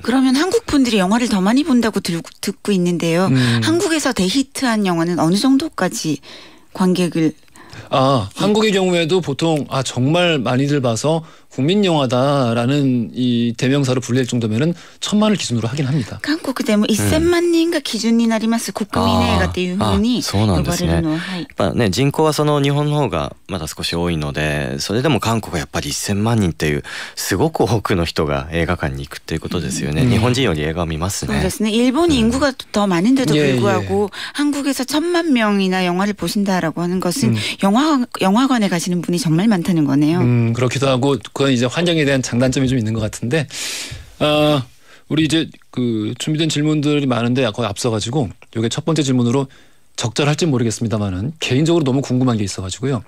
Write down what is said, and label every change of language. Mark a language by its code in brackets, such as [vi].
[ko] 그러면 한국 분들이 영화를 더 많이 본다고 듣고 있는데요. 한국에서 대히트한 영화는 어느 정도까지 관객을 한국의 경우에도 보통 정말 많이들 봐서 국민 영화다라는 이 대명사로 불릴 정도면은 1000만을 기준으로 하긴 합니다. [ja] 한국でも 1000만人が 기준になります.국민映画っていうふうに呼ばれるのは、やっぱね人口はその日本の方がまだ少し多いので、それでも韓国はやっぱり 1000万人っていうすごく多くの人が映画館に行くっていうことですよね. 日本人より映画を見ますね. そうですね. [ko] 일본 인구가 더 많은데도 불구하고 한국에서 1000만 명이나 영화를 보신다라고 하는 것은 영화관에 가시는 분이 정말 많다는 거네요. 그렇기도 하고 그건 이제 환경에 대한 장단점이 좀 있는 것 같은데 우리 이제 준비된 질문들이 많은데 거의 앞서가지고 이게 첫 번째 질문으로 적절할지 모르겠습니다만은 개인적으로 너무 궁금한 게 있어가지고요.